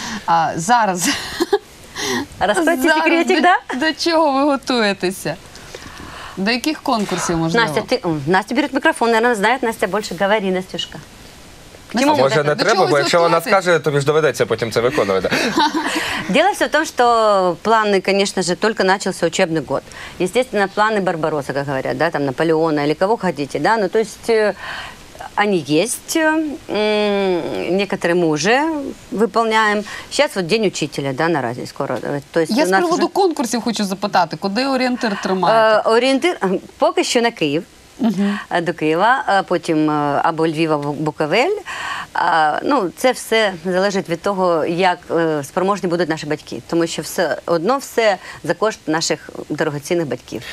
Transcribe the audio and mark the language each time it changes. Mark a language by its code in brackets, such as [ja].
[uk] А зараз... Розкройте секретик, да? До чого ви готуєтеся? До яких конкурсів, можливо? Настя, ти... Настя бере мікрофон, [ru] наверное, [uk] знає Настя більше. Говори, Настюшка. Настя, може, не треба, бо якщо вона скаже, то ж доведеться потім це виконувати. [ru] Дело все в том, что планы, конечно же, только начался учебный год. Естественно, планы Барбароса, как говорят, да, там, Наполеона или кого хотите, да, ну, то есть они есть, некоторые мы уже выполняем. Сейчас вот день учителя, да, на разе скоро. То есть я с приводу уже... [uk] конкурсов хочу запитати, куди орієнтир тримаєте? Орієнтир поки що на Київ, до Києва, потім або Львів, або Буковель. Ну, це все залежить від того, як спроможні будуть наші батьки. Тому що все одно все за кошт наших дорогоцінних батьків.